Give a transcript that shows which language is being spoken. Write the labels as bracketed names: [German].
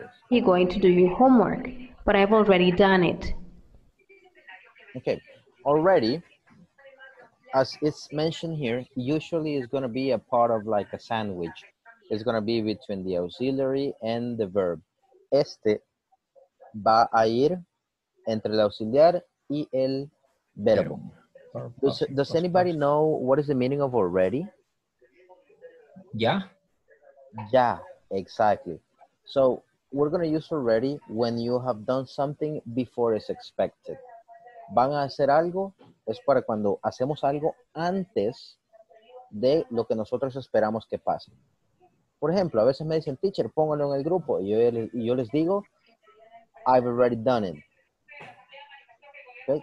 [English] You're going to do your homework, but I've already done it. Okay. Already, as it's mentioned here, usually is going to be a part of like a sandwich. It's going to be between the auxiliary and the verb. [Spanish] Este va a ir entre el auxiliar y el verbo. [English] Does anybody know what is the meaning of already? Yeah. Yeah, exactly. So we're going to use already when you have done something before it's expected. [Spanish] Van a hacer algo es para cuando hacemos algo antes de lo que nosotros esperamos que pase. Por ejemplo, a veces me dicen, teacher, póngalo en el grupo. Y yo les digo, [English] I've already done it. Okay?